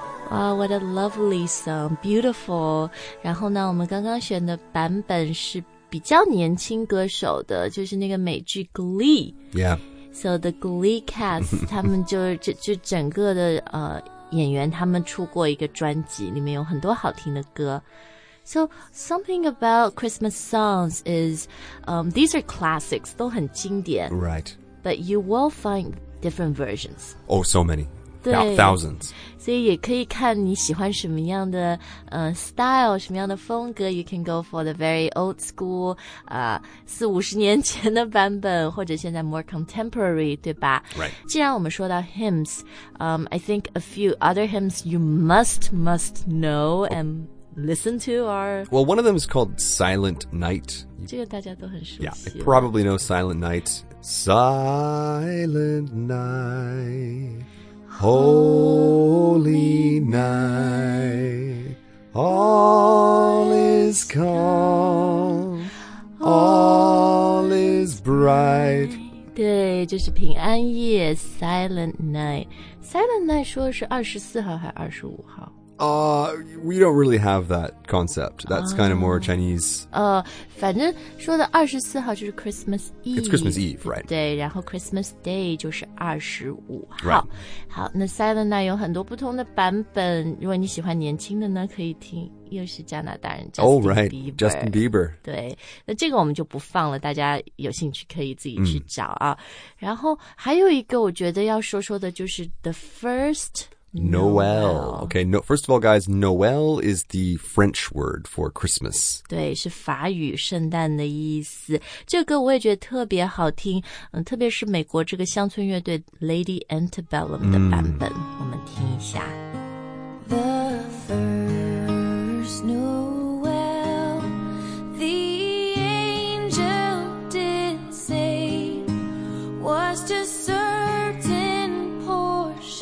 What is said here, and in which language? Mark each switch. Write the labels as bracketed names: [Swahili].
[English] Wow, what a lovely song, beautiful. [Chinese] 然后呢，我们刚刚选的版本是比较年轻歌手的，就是那个美剧 Glee. [English] Yeah. So the Glee cast, [Chinese] 他们就整个的演员他们出过一个专辑，里面有很多好听的歌。 [English] So something about Christmas songs is, these are classics, [Chinese] 都很经典。 [English] Right. But you will find different versions. Oh, so many. Thousands. [Chinese] 所以也可以看你喜欢什么样的style, 什么样的风格。 [English] You can go for the very old school, [Chinese] 四五十年前的版本或者现在 [English] more contemporary, [Chinese] 对吧 [English] Right. [Chinese] 既然我们说到 [English] hymns, I think a few other hymns you must know and listen to are... Well, one of them is called Silent Night. [Chinese] 这个大家都很熟悉。 [English] Yeah, you probably know Silent Night. Silent Night... Holy night, all is calm, all is bright. [Chinese] 对，就是平安夜 ,Silent night. Silent night 说是24号还是25号？ [English] We don't really have that concept. That's kind of more Chinese. [Chinese] 反正说的24号就是 Christmas Eve. [English] It's Christmas Eve, right. [Chinese] 对，然后 Christmas Day 就是25号。 [English] Right. [Chinese] 好，那 Silent Night 有很多不同的版本。如果你喜欢年轻的呢，可以听。又是加拿大人 Justin Bieber. [English] Oh, right. Justin Bieber. [Chinese] 对，那这个我们就不放了，大家有兴趣可以自己去找啊。然后还有一个我觉得要说说的就是 the firstNoel. [English] Okay, no, first of all, guys, Noel is the French word for Christmas. [Chinese] 对，是法语圣诞的意思。这个我也觉得特别好听，特别是美国这个乡村乐队 Lady Antebellum 的版本，我们听一下。 [English] The first Noel, the angel did say, was to certain poor